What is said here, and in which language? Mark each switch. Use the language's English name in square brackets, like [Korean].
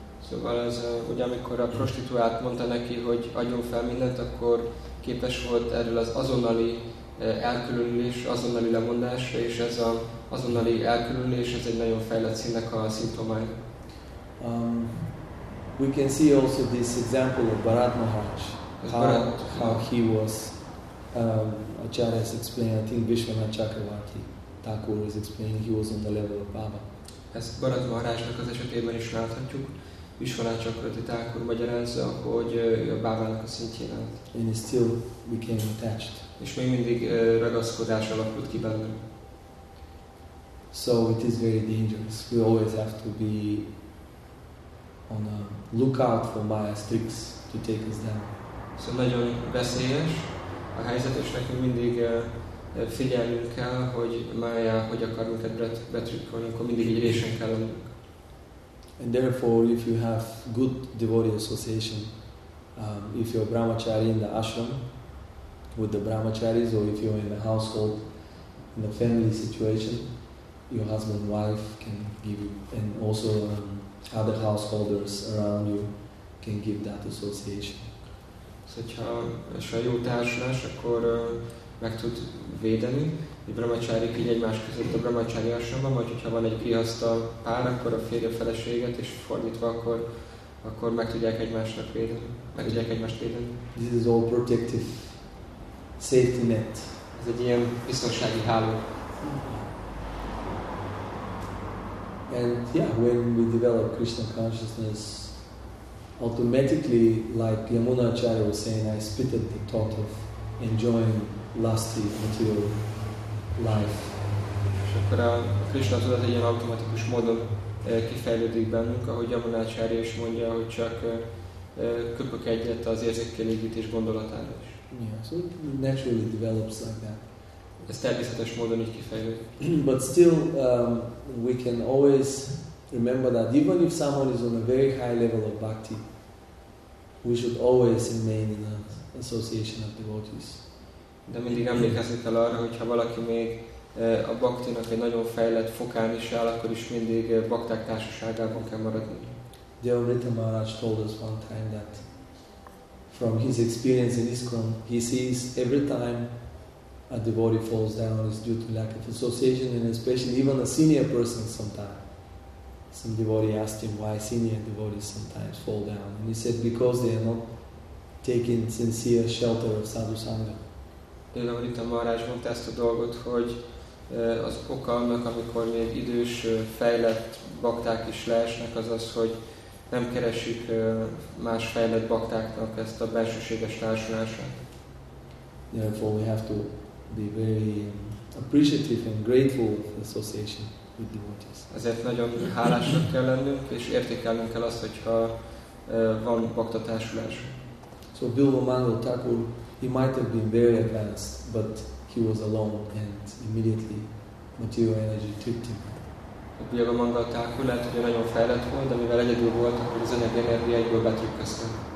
[Hungarian] Szóval ez, ugye amikor a prostituált mondta neki, hogy adjon fel mindent, akkor képes volt erről az azonnali elkülönülés, azonnali lemondásra, és ez az azonnali elkülönülés, ez egy nagyon fejlett színnek a szimptomája. [English] We can see also this example of Bharat Maharaj. How he was, Acharya has explained, I think Vishwanath Chakravarti Thakur is explaining, he was on the level of Baba. [Hungarian] Ezt Bharat Maharajnak az esetében is láthatjuk. Vishwanath Chakravarti Thakur magyarázza, hogy a Bhavának a szintjén állt. [English] And he still became attached. [Hungarian] És még mindig ragaszkodás alakult ki bennem. [English] So it is very dangerous. We always have to be on a lookout for Maya's tricks to take us down. [Hungarian] So nagyon veszélyes a helyzet, és nekünk mindig figyelnünk kell, hogy Maya hogy akar minket betrükkölni, akkor mindig így résen kell lennünk. [English] And therefore, if you have good devotee association, if you're a brahmachari in the ashram with the brahmacharis, or if you're in the household, in the family situation, your husband, wife can give you, and also other householders around you can give that association. [Hungarian] So, ha és a jó társulás, akkor meg tud védeni. A brahmacsárik így egymás között a brahmacsári ashramban, vagy hogyha van egy grihasztal pár, akkor a férje feleséget, és fordítva, akkor meg tudják egymásnak védeni. Meg tudják egymást védeni. [English] This is all protective safety net. [Hungarian] Ez egy ilyen biztonsági háló. [English] And yeah, when we develop Krishna consciousness, automatically, like Yamuna Acharya was saying, I spit at the thought of enjoying lusty material life. [Hungarian] És akkor a Krishna tudat egy ilyen automatikus módon kifejlődik bennünk, ahogy Yamuna Acharya is mondja, hogy csak köpök egyet az érzékkielégítés gondolatára is. [English] Yeah, so it naturally develops like that. [Hungarian] Ez természetes módon így kifejlődik. [English] But still, we can always remember that even if someone is on a very high level of bhakti, we should always remain in an association of devotees. [Hungarian] De mindig emlékezni kell arra, hogy ha valaki még a bhaktinak egy nagyon fejlett fokán is áll, akkor is mindig bhakták társaságában kell maradni. [English] Devamrita Maharaj told us one time that from his experience in ISKCON, he sees every time a devotee falls down is due to lack of association, and especially even a senior person sometimes. Some devotee asked him why senior devotees sometimes fall down, and he said because they are not taking sincere shelter of Sadhu Sangha. [Hungarian] Devamrita Maharaj mondta ezt a dolgot, hogy az oka annak, amikor még idős, fejlett bakták is leesnek, az az, hogy nem keresik más fejlett baktáknak ezt a belsőséges társulását. [English] Therefore we have to be very appreciative and grateful of the association with devotees. [Hungarian] Ezért nagyon hálásak kell lennünk, és értékelnünk kell azt, hogyha van bakta társulás. [English] So Bilba Mangala Thakur, he might have been very advanced, but he was alone and immediately material energy tripti. [Hungarian] A Bhagavad Manga Thakur lehet, hogy nagyon fejlett volt, de mivel egyedül volt, akkor az anyagi energia egyből betrükköztem.